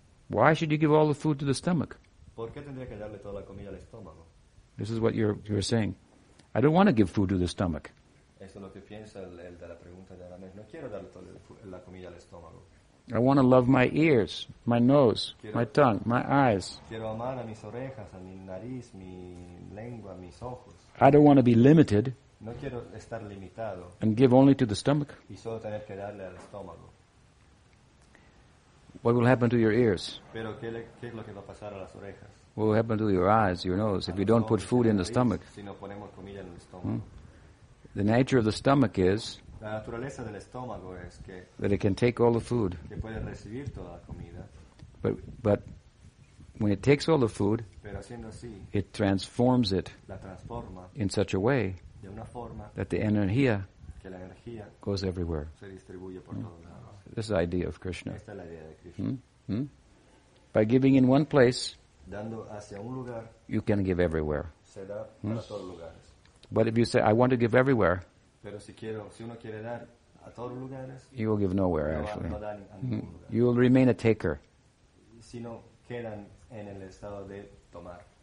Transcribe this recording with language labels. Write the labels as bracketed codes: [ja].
[en] Why should you give all the food to the stomach? [es] ¿Por qué tendría que darle toda la comida al estómago? [en] This is what you're saying. I don't want to give food to the stomach. [es] Eso es lo que piensa el de la pregunta de Aramés. No quiero darle toda la comida al estómago. [en] I want to love my ears, my nose, [es] quiero, [en] my tongue, my eyes. [es] Quiero amar a mis orejas, a mi nariz, mi lengua, mis ojos. [en] I don't want to be limited. [es] No quiero estar limitado. [en] And give only to the stomach. [es] Y solo tener que darle al estómago. [en] What will happen to your ears? [es] Pero qué es lo que va a pasar a las orejas? [en] What will happen to your eyes, your nose, if you don't put food in the stomach? [es] Si no ponemos comida en el estómago. Hmm? [en] The nature of the stomach is [es] la naturaleza del estómago es que [en] that it can take all the food. [es] Que puede recibir toda la comida. [en] But when it takes all the food, [es] pero haciendo así, [en] it transforms it [es] la transforma [en] in such a way [es] de una forma [en] that the energía [es] que la energía [en] goes everywhere. [es] Se distribuye por todos lados. [en] This is the idea of Krishna. [es] Esta es la idea de Krishna. [en] Hmm? Hmm? By giving in one place, [es] dando hacia un lugar, [en] you can give everywhere. [es] Se da para todos lugares. [en] But if you say, I want to give everywhere, [es] pero si quiero, si uno quiere dar a todos lugares, [en] you will give nowhere, actually. [es] No da a ningún lugar. [en] You will remain a taker. [es] Si no, quedan en el estado de tomar.